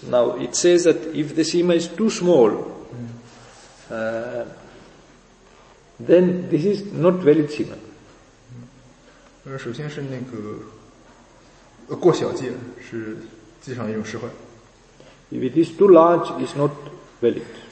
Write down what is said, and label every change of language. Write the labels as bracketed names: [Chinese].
[English] Now, it says that if the sima is too small, then this is not valid sima. [Chinese] 首先是那个过小戒是戒场的一种失坏。 [English] If it is too large, it's not valid.